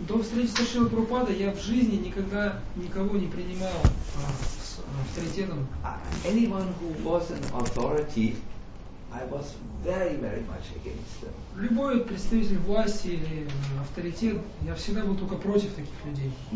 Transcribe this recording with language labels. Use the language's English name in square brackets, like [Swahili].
[Russian] До встречи с Шрилой Прабхупадой я в жизни никогда никого не принимал с авторитетом. [English] Anyone who was an authority, I was very, very much against them. [Russian] Любой представитель власти или авторитет, я всегда был только против таких людей.